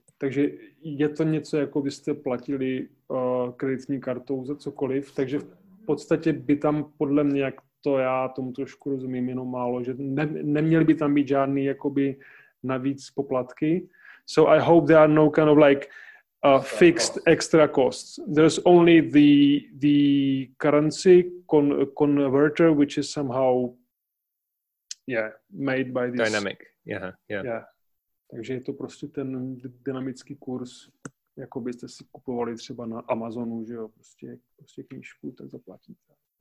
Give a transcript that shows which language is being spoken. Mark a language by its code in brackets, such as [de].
[cs] Takže je to něco, jako byste platili kreditní kartou za cokoliv, takže v podstatě by tam podle mě, jak to já tomu trošku rozumím, jenom málo, že neměly by tam být žádný jakoby navíc poplatky. [en] So I hope there are no kind of like fixed extra costs. There's only the currency converter, which is somehow made by this dynamic. Yeah. [cs] Takže je to prostě ten dynamický kurz, jako byste si kupovali třeba na Amazonu, že jo, prostě knížku, tak zaplatíte.